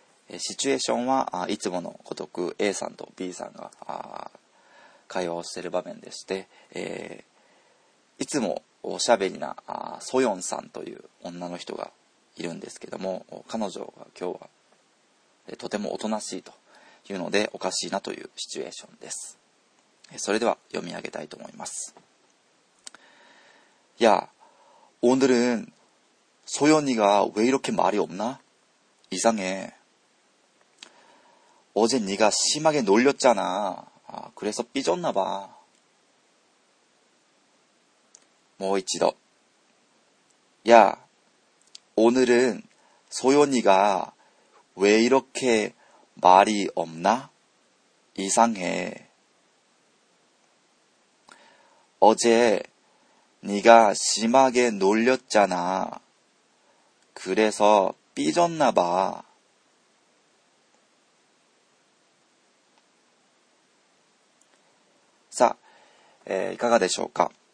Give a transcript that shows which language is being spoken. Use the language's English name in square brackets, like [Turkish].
[Japanese] シチュエーションはいつものごとく A さんと B さんが会話をしている場面でして、いつもおしゃべりなソヨンさんという女の人がいるんですけども、彼女が今日はとてもおとなしいというのでおかしいなというシチュエーションです。それでは読み上げたいと思います。 [Korean] 야 오늘은 소연이가 왜 이렇게 말이 없나? 이상해. 어제 네가 심하게 놀렸잖아. 그래서 삐졌나 봐. [Japanese] 뭐 一度. [Korean] 야 오늘은 소연이가 왜 이렇게 말이 없나? 이상해. 어제네가심하게놀렸잖아그래서삐졌나봐 [Japanese] さあ、いかがでしょうか。